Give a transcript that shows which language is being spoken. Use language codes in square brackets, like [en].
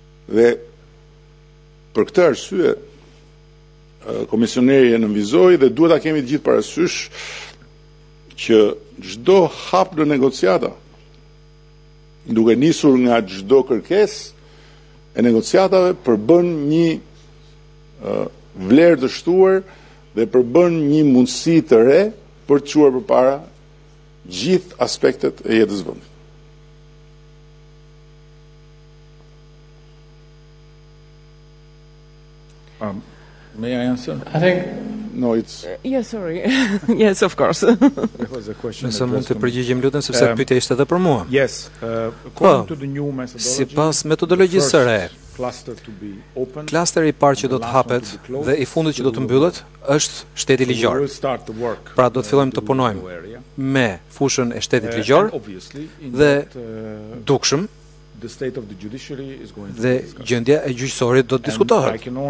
[sq] Dhe për këtë arsye komisioneri e nënvizoi dhe duhet ta kemi të gjithë parasysh që çdo hap në negociata duke nisur nga çdo kërkesë e negociatave përbën një vlerë të shtuar dhe përbën një mundësi të re për të çuar përpara gjithë aspektet e jetës vendit. [en] May I answer? I think no, it's yes, sorry. yes, of course. It was a question. [sq] Nëse mund të përgjigjem lutem sepse pyetja ishte edhe për mua. [en] Yes, according to the new methodology. [sq] Sipas metodologjisë së re. Klasteri I parë që do të hapet dhe I fundit që do të mbyllet është shteti ligjor. Pra do të fillojmë të punojmë me fushën e shtetit ligjor dhe dukshëm dhe gjendja e gjyqësorit do të diskutohet.